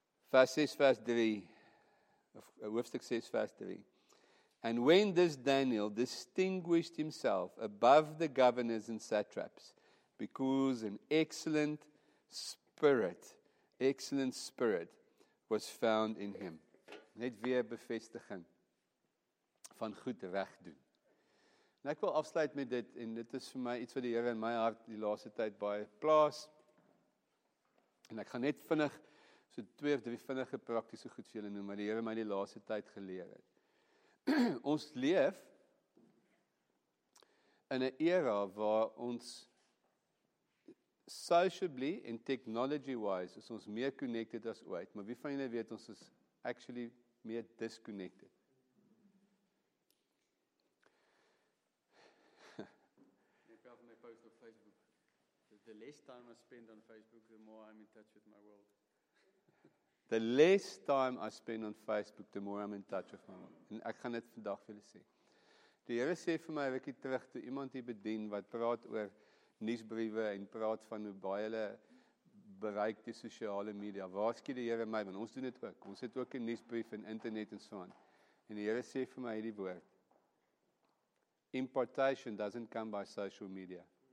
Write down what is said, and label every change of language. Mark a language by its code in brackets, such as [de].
[af] Vers 6 vers 3. Hoofstuk 6 vers 3. [en] And when this Daniel distinguished himself above the governors and satraps, because an excellent spirit was found in him. [af] Net weer bevestiging van goed reg doen. En ek wil afsluit met dit, en dit is vir my iets wat die Heere in my hart die laaste tyd baie plaas. En ek gaan net vinnig, so 2 of 3 vinnige praktiese goed vir julle noem, maar die Heere my die laaste tyd geleer het. Ons leef in 'n era waar ons sociably en [en] technology wise [af] is ons meer connected as ooit, maar wie van julle weet ons is actually meer disconnected. [en] The less time I spend on Facebook, the more I'm in touch with my world. The less time I spend on Facebook, the more I'm in touch with my world. [af] En ek gaan dit vandag vir julle sê. Die Here sê vir my, rukkie terug, toe iemand hier bedien, wat praat oor nuusbriewe, en praat van hoe baie hulle bereik die sosiale media. Waarskie die Here my, want ons doen dit ook. Ons het ook 'n nuusbrief en internet en so aan. En die Here sê vir my hierdie woord. [en] Importation doesn't come by social media.